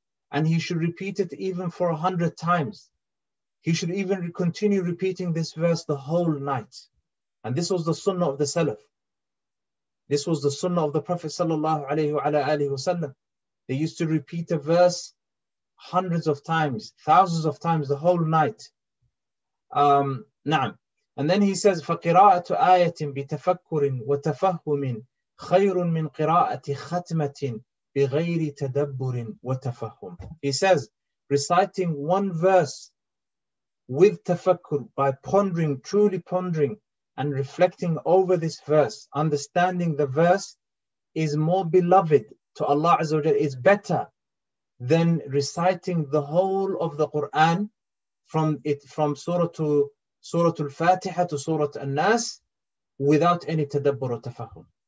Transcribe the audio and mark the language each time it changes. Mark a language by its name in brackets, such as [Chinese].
[English] And he should repeat it even for 100 times. He should even continue repeating this verse the whole night. And this was the sunnah of the Salaf. This was the sunnah of the Prophet sallallahu alayhi wa alayhi wa sallam. They used to repeat a verse hundreds of times, thousands of times, the whole night. Na'am. And then he says, [Arabic] فَقِرَاءَةُ آيَةٍ بِتَفَكُّرٍ وَتَفَهُّمٍ خَيْرٌ مِنْ قِرَاءَةِ خَتْمَةٍ بِغَيْرِ تَدَبُّرٍ وَتَفَهُّمٍ. [English] He says, reciting one verse with tafakkur, by pondering, truly pondering, and reflecting over this verse, understanding the verse, is more beloved to Allah Azza wa Jalla, is better than reciting the whole of the Qur'an from Surah Al-Fatiha to Surah An-Nas without any tadabbur or tafahum.